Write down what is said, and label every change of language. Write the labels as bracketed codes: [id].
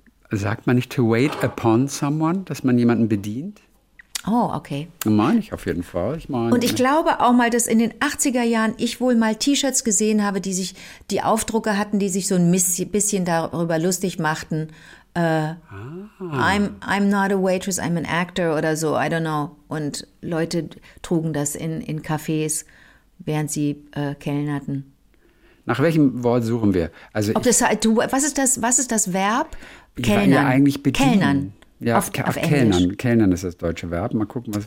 [de] Sagt man nicht to wait upon someone, dass man jemanden bedient? Oh, okay. Meine ich auf jeden Fall. Ich glaube auch mal, dass in den 80er Jahren ich wohl mal T-Shirts gesehen habe, die Aufdrucke hatten, die sich so ein bisschen darüber lustig machten. [en] I'm not a waitress, I'm an actor oder so, I don't know. [de] Und Leute trugen das in Cafés, während sie kellnerten. Nach welchem Wort suchen wir? Also was ist das Verb? Kellnern. Ich war ja eigentlich bedienen. Kellnern. Ja, auf kellnern. Englisch. Kellnern ist das deutsche Verb. Mal gucken, was